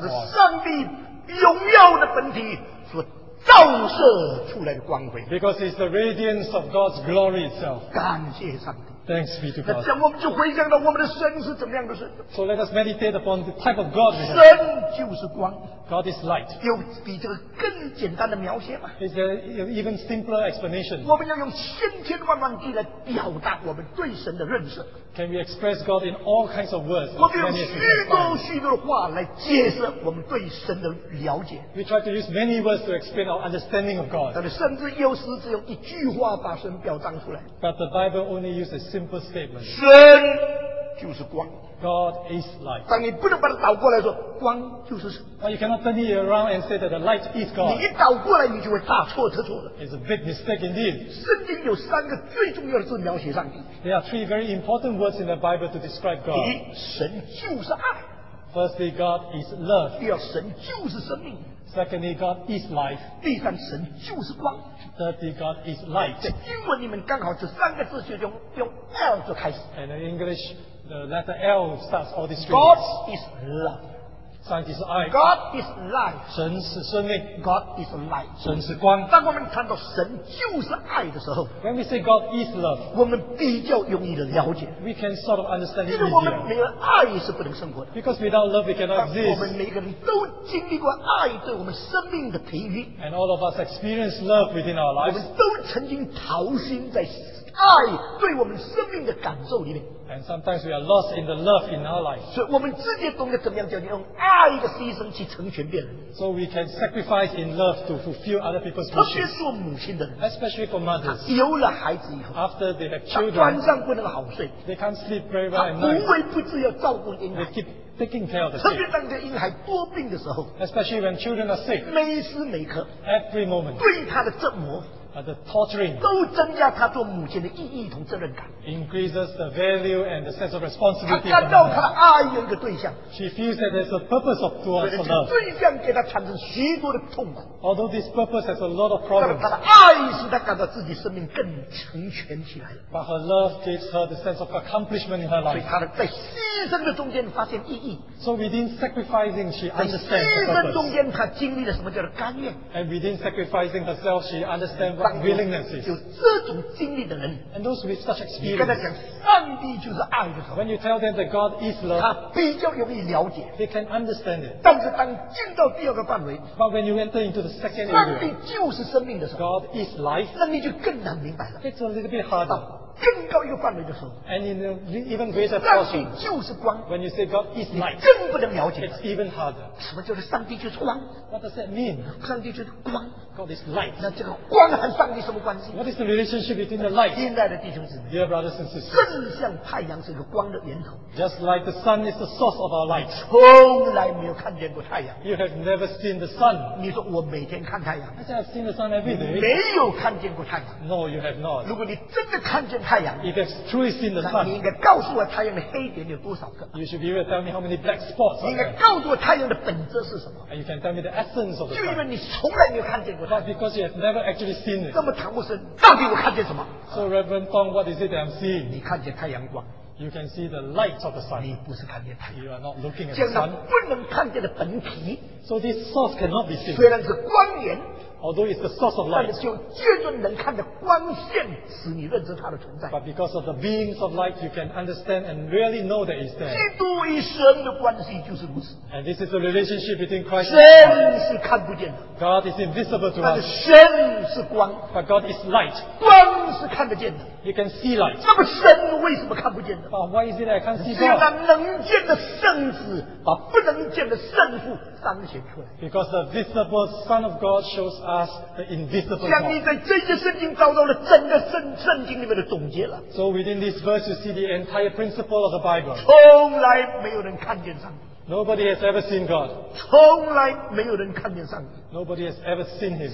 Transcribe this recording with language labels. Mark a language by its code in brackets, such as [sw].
[zh] 他是上帝荣耀的本体所照射出来的光辉。 [en] Because it's the radiance of God's glory itself. [zh] 感谢上帝。 [en] Thanks be to God. [zh] 那这样我们就回想到我们的神是怎么样的神。 [en] So let us meditate upon the type of God. [zh] 神就是光。 [en] God is light. [zh] 有比这个更简单的描写吗？ [en] Is there an even simpler explanation? [zh] 我们要用千千万万句来表达我们对神的认识。 [en] Can we express God in all kinds of words? [zh] 我们用许多许多的话来解释我们对神的了解。 [en] We try to use many words to explain our understanding of God. [zh] 但是甚至有时只用一句话把神表彰出来。 [en] But the Bible only uses a simple statement. [zh] 神就是光。 [en] God is light. [zh] 当你不能把它倒过来说，光就是神。 [en] But you cannot turn it around and say that the light is God. [zh] 你一倒过来，你就会大错特错了。 [en] It's a big mistake indeed. [zh] 圣经有三个最重要的字描写上帝。 [en] There are three very important words in the Bible to describe God. [zh] 第一，神就是爱。 [en] Firstly, God is love. [zh] 第二，神就是生命。 [en] Secondly, God is life. [zh] 第三，神就是光。 [en] Thirdly, God is light. [zh] 在英文里面刚好这三个字就用 L 就开始。 [en] And in English. The letter L starts all these things. God is love. [zh] 上帝是爱。 [en] God is life. [zh] 神是生命。 [en] God is light. [zh] 神是光。当我们看到神就是爱的时候 [en] ，When we say God is love， [zh] 我们比较容易的了解。 [en] We can sort of understand it easier. [zh] 因为我们没有爱是不能生活的。 [en] Because without love, we cannot exist. [zh] 我们每个人都经历过爱对我们生命的培育。 [en] And all of us experience love within our lives. [zh] 我们都曾经陶心在爱对我们生命的感受里面。 [en] And sometimes we are lost in the love in our life. [zh] 所以我们直接懂得怎么样叫你用爱的牺牲去成全别人。 [en] So we can sacrifice in love to fulfill other people's wishes. [zh] 特别做母亲的人。 [en] Especially for mothers. [zh] 有了孩子以后。 [en] After they have children. [zh] 晚上不能好睡。 [en] They can't sleep very well at night. [zh] 不会不知要照顾婴孩。 [en] They keep taking care of the kid. [zh] 特别当这婴孩多病的时候。 [en] Especially when children are sick. [zh] 每时每刻。 [en] Every moment. [zh] 对他的折磨。 [en] The torturing [zh] 都增加他做母亲的意义和责任感。 [en] Increases the value and the sense of responsibility. [zh] 他感到他爱有一个对象。 [en] She feels that there's a purpose of to us love. [zh] 对象给他产生许多的痛苦。 [en] Although this purpose has a lot of problems. [zh] 但他的爱使他感到自己生命更成全起来。 [en] But her love gives her the sense of accomplishment in her life. [zh] 所以他的在牺牲的中间发现意义。 [en] So within sacrificing, she understands the purpose. [zh] 在牺牲中间，他经历了什么叫做甘愿。 [en] And within sacrificing herself, she understands. [zh] 有这种经历的人 [en] and those with such experience, [zh] 你跟他讲上帝就是爱的时候 [en] when you tell them that God is love, [zh] 他比较容易了解 [en] they can understand it. [zh] 但是当进到第二个范围 [en] but when you enter into the second area, [zh] 上帝就是生命的时候 [en] God is life, [zh] 那你就更难明白了 [en] it's a little bit harder. [zh] 更高一个范围的时候 [en] ，and in the even greater portion， [zh] 就是光。 [en] When you say God is light， [zh] 更不能了解。 [en] It's even harder。 [zh] 什么叫做上帝就是光 [en] ？What does that mean？ [zh] 上帝就是光。 [en] God is light。 [zh] 那这个光和上帝什么关系 [en] ？What is the relationship between the light？ [zh] 现在的弟兄姊妹 [en] ，Dear brothers and sisters， [zh] 正像太阳是个光的源头。 [en] Just like the sun is the source of our light， [zh] 从来没有看见过太阳。 [en] You have never seen the sun。 [zh] 你说我每天看太阳 [en] ？I have seen the sun every day。 [zh] 没有看见过太阳。 [en] No， you have not。 [zh] 如果你真的看见太阳 [en] ，If you truly seen the sun， [zh] 你应该告诉我太阳的黑点有多少个。 [en] You should be able to tell me how many black spots。 [zh] 你应该告诉我太阳的本质是什么。 [en] And you can tell me the essence of the sun。 [zh] 就因为你从来没有看见过太阳。 [en] But because you have never actually seen it。 [zh] 那么唐牧师，到底我看见什么 [en] ？So Reverend Fong， what is it that I'm seeing？ [zh] 你看见太阳光。 [en] You can see the light of the sun. [zh] 你不是看见太阳。 [en] You are not looking at the sun. [zh] 将它不能看见的本体。 [en] So this source cannot be seen. [zh] 虽然是光源。 [en] Although it's the source of light. [zh] 但是就借着能看的光线，使你认知它的存在。 [en] But because of the beams of light, you can understand and really know that it's there. [zh] 基督与神的关系就是如此。 [en] And this is the relationship between Christ and God. [zh] 神是看不见的。 [en] God is invisible to us. [zh] 但是神是光。 [en] But God is light. [zh] 光是看得见的。 [en] You can see light. [zh] 那么神为什么看不见的？ [en] But why is it I can't see God? [zh] 是那能见的圣子把不能见的圣父彰显出来。 [en] Because the visible Son of God shows us the invisible. [zh] 像你在这些圣经找到了整个圣经里面的总结了。 [en] So within this verse, you see the entire principle of the Bible. [zh] 从来没有人看见上帝。 [en] Nobody has ever seen God. [zh] 从来没有人看见上帝。 [en] Nobody has ever seen Him.